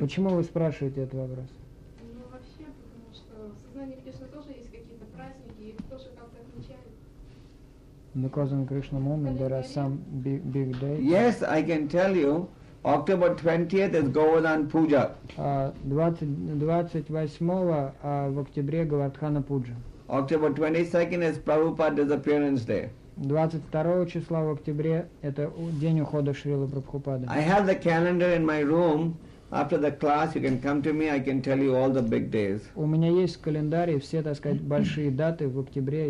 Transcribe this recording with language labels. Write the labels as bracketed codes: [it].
[ru] Почему вы спрашиваете этот вопрос? Ну вообще, потому что в сознании Кришны тоже есть какие-то праздники, их тоже как-то отмечают. [en] Because in Krishna moment there are some big days. Yes, I can tell you. October 20th is Govardhan Puja. [ru] 28 в октябре Говардхана Пуджа. [en] October 22nd is Prabhupada disappearance day. [ru] 22 числа в октябре – это день ухода Шрилы Прабхупады. [en] I have the calendar in my room. After the class, you can come to me. I can tell you all the big days. [ru] У меня есть в календаре все, так сказать, большие даты в октябре.